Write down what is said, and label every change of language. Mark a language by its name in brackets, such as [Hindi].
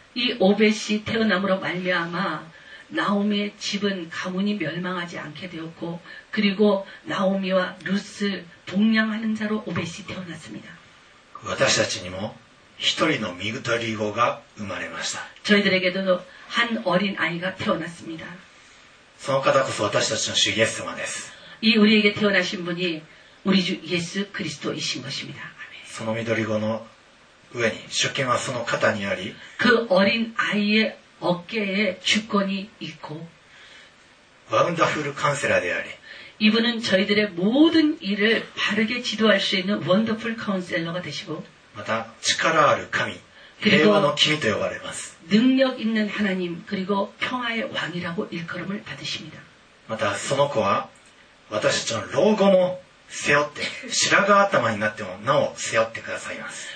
[Korean] 이오벳이태어남으로말미암아나오미의집은가문이멸망하지않게되었고그리고나오미와루스봉양하는자로오벳이태어났습니다 [Japanese] 私たちにも一人のみぐとり子が生まれました [Korean] 저희들에게도한어린아이가태어났습니다 [Japanese] その方こそ私たちの主イエス様です [Korean] 이우리에게태어나신분이우리주예수그리스도이신것입니다 [Japanese] そのみどり子の上に主権はその肩にあり [Korean] 그어린아이의어깨에주권이있고 [Japanese] ワンダフルカンセラーであり [Korean] 이분은저희들의모든일을바르게지도할수있는원더풀카운셀러가되시고 [Japanese] また力ある神平和の君と呼ばれます [Korean] 능력있는하나님그리고평화의왕이라고일컬음을받으십니다 [Japanese] またその子は私たちの老後も背負って白髪頭になってもなお背負ってくださいます